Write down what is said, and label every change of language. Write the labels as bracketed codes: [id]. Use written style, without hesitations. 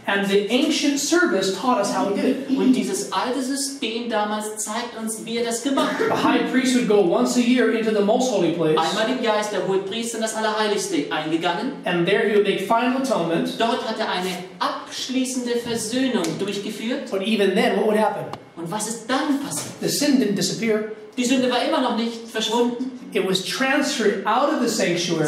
[en] And the ancient service taught us how to do it. [de] Und dieses alte System damals zeigt uns, wie er das gemacht hat. [en] A high priest would go once a year into the most holy place. [de] Einmal im Jahr ist der Hohepriester in das Allerheiligste eingegangen. [en] And there he would make final atonement. [de] Dort hat er eine abschließende Versöhnung durchgeführt. [en] But even then, what would happen? [de] Und was ist dann passiert? [en] The sin didn't disappear. [de] Die Sünde war immer noch nicht verschwunden. [en] It was transferred out of the sanctuary.